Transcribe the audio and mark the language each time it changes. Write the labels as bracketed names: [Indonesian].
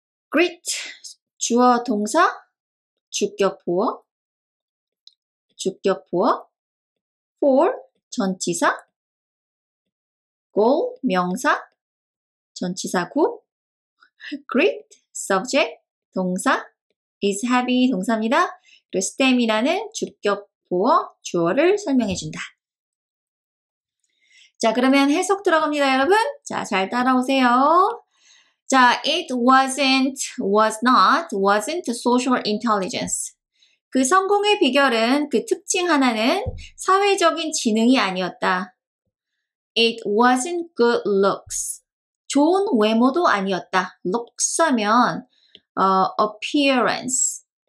[Korean] great, 주어, 동사, 주격 보어, 주격 보어, for, 전치사, goal, 명사, 전치사 구, great, subject, 동사, is having, 동사입니다. 그리고 stem이라는 주격 보어, 주어를 설명해 준다. 자, 그러면 해석 들어갑니다, 여러분. 자, 잘 따라오세요. [English] 자, it wasn't, was not, wasn't social intelligence. [Korean] 그 성공의 비결은, 그 특징 하나는 사회적인 지능이 아니었다. [English] It wasn't good looks. [Korean] 좋은 외모도 아니었다. [English] looks 하면, appearance.